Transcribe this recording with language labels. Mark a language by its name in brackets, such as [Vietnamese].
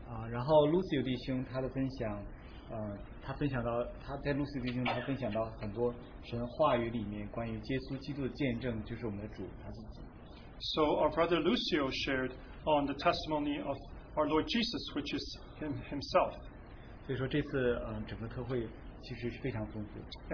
[Chinese] 然后 Lucio 弟兄他的分享 他分享到很多神话语里面关于耶稣基督的见证就是我们的主 [English] So our brother Lucio shared on the testimony of our Lord Jesus which is himself [Chinese] 所以说这次 整个特会其实是非常丰富